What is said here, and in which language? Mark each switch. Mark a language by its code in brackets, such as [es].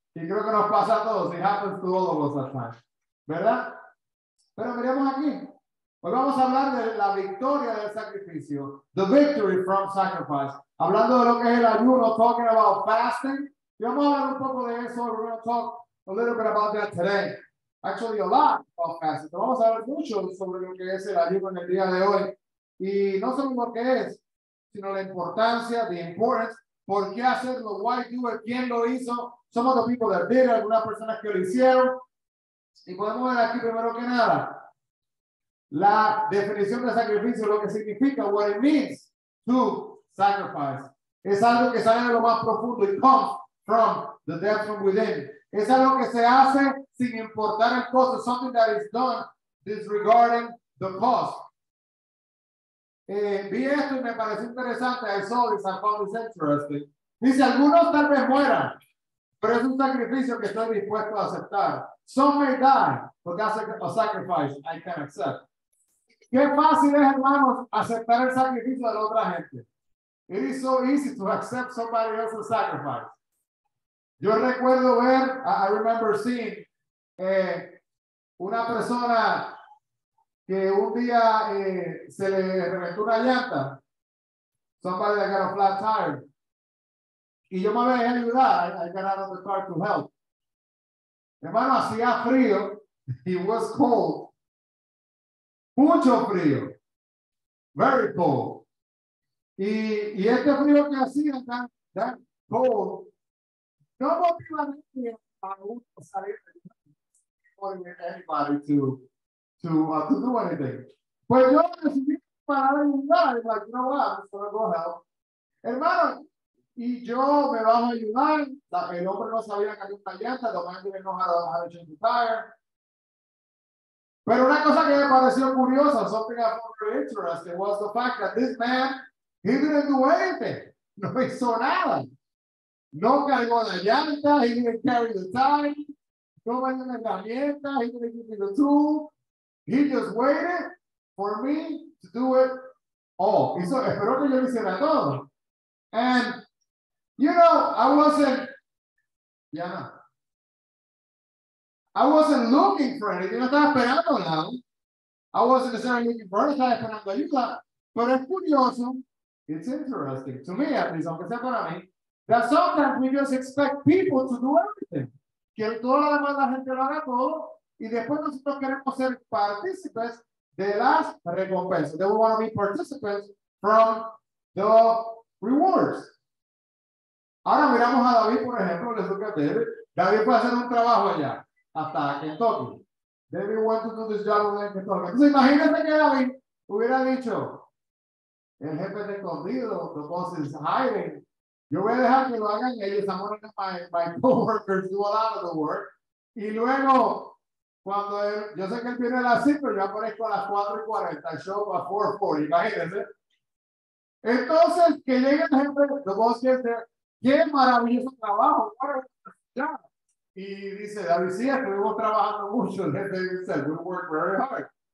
[es] Y creo que nos pasa a todos. [en] It happens to all of us at times. [es] ¿Verdad? Pero miremos aquí. Hoy vamos a hablar de la victoria del sacrificio, [en] the victory from sacrifice. [es] Hablando de lo que es el ayuno, [en] talking about fasting. [es] Y vamos a hablar un poco de eso. [en] We're going to talk a little bit about that today. Actually, a lot of fasting. [es] Pero vamos a hablar mucho sobre lo que es el ayuno en el día de hoy. Y no solo lo que es, sino la importancia, [en] the importance. [es] ¿Por qué hacerlo? [en] Why do it? [es] ¿Quién lo hizo? Somos los [en] people that did it. [es] Algunas personas que lo hicieron. Y podemos ver aquí primero que nada la definición de sacrificio, lo que significa, [en] what it means to sacrifice. [es] Es algo que sale de lo más profundo. [en] It comes from the depth from within. [es] Es algo que se hace sin importar el costo. [en] Something that is done disregarding the cost. [es] Vi esto y me pareció interesante. [en] I saw this and found this interesting. [es] Dice, algunos tal vez mueran, pero es un sacrificio que estoy dispuesto a aceptar. [en] Some may die, but that's a sacrifice I can accept. [es] Qué fácil es, hermanos, aceptar el sacrificio de la otra gente. [en] It is so easy to accept somebody else's sacrifice. [es] Yo recuerdo ver, [en] I remember seeing, [es] una persona que un día se le reventó una llanta. [en] Somebody that got a flat tire. [es] Y yo me voy a ayudar. [en] I got out of the car to help. [es] Hermano, hacía frío. [en] It was cold. [es] Mucho frío. [en] Very cold. [es] Y este frío que hacía, tan cold, no motiva a nadie a salir de aquí. No motiva a [en] anybody to do anything. [es] Pues yo decidí parar y ayudar. [en] Like, you know what? I'm going to go help. [es] Hermano, y yo me bajo a ayudar. El hombre no sabía que había una llanta. Tomás tiene que no dejar el [en] change the tire. [es] Pero una cosa que me pareció curiosa, [en] something I found very interesting, was the fact that this man, he didn't do anything. [es] No hizo nada. No cargó la llanta, [en] he didn't carry the tire, [es] no me dio la herramienta, [en] he didn't give me the tool. He just waited for me to do it all. [es] Hizo, espero que yo lo hiciera todo. [en] And, you know, I wasn't looking for anything. [es] Yo no estaba esperando nada. [en] I wasn't necessarily looking for anything. [es] Estaba esperando ayuda. Pero es curioso. [en] It's interesting. To me, at least, [es] aunque sea para mí, [en] that sometimes we just expect people to do everything. [es] Que toda la demás la gente lo haga todo. Y después nosotros queremos ser partícipes de las recompensas. [en] They want to be participants from the rewards. [es] Ahora miramos a David, por ejemplo. Les toca a David. David puede hacer un trabajo allá. Hasta Kentucky. [en] David went to do this job in Kentucky. [es] Entonces imagínense que David hubiera dicho, el jefe está escondido, [en] the boss is hiding. [es] Yo voy a dejar que lo hagan ellos. [en] I'm going to have my co-workers do a lot of the work. [es] Y luego, cuando él, yo sé que él viene a las 5, pero yo aparezco a las 4:40, [en] show up a 4:40, [es] imagínense. Entonces, que llegue el jefe, [en] the boss gets there, [es] qué maravilloso trabajo, ya. Y dice, David, sí, estuvimos trabajando mucho. [en] David said, we worked very hard.